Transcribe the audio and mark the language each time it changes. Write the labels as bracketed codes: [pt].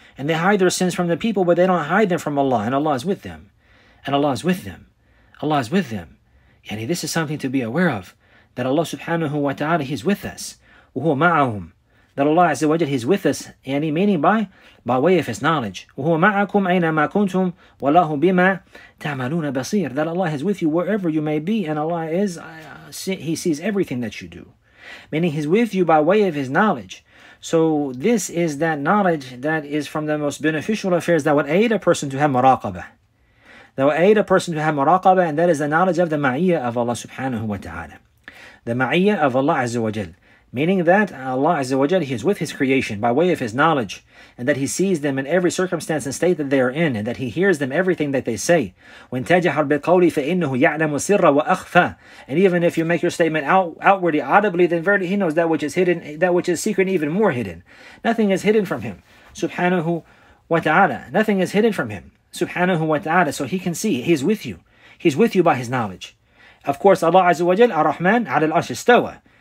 [en] And they hide their sins from the people, but they don't hide them from Allah. And Allah is with them. And Allah is with them. Allah is with them. Yani, this is something to be aware of. That Allah subhanahu wa ta'ala, He's with us. [ar] وهو معهم. [en] That Allah azza wa jal, He's with us. Yani, meaning by way of His knowledge. [ar] وهو معكم أينما كنتم والله بما تعملون بصير. [en] That Allah is with you wherever you may be. And Allah is, He sees everything that you do. Meaning He's with you by way of His knowledge. So this is that knowledge that is from the most beneficial affairs that would aid a person to have muraqabah. That would aid a person to have muraqabah, and that is the knowledge of the ma'iyyah of Allah subhanahu wa ta'ala. The ma'iyyah of Allah azza wa jal. meaning that Allah Azza wa Jalla, He is with His creation by way of His knowledge, and that He sees them in every circumstance and state that they are in, and that He hears them everything that they say. When [ar] تَجَهَرْ بِقَوْلِي فَإِنَّهُ يَعْلَمُ سِرَّ وَأَخْفَى. [en] And even if you make your statement outwardly, audibly, then verily He knows that which is hidden, that which is secret, even more hidden. Nothing is hidden from Him, Subhanahu wa Ta'ala. Nothing is hidden from Him, Subhanahu wa Ta'ala. So He can see, He is with you. He is with you by His knowledge. Of course, Allah Azza wa Jalla, Ar-Rahman, [ar] عَلَى الْعَرْشِ اسْتَوَى.